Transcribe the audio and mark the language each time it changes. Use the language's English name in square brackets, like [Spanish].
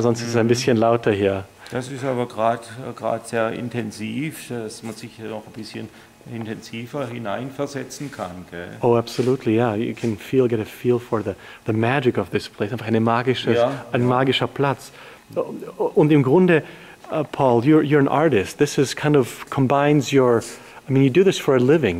[German] Sonst ist es ein bisschen lauter hier. Das ist aber gerade sehr intensiv, dass man sich hier noch ein bisschen intensiver hineinversetzen kann, gell? [English] Oh, absolutely, yeah. You can feel, get a feel for the magic of this place. [German] Einfach ein magischer Platz. Und im Grunde, [English] Paul, you're an artist. This is kind of combines your. I mean, you do this for a living.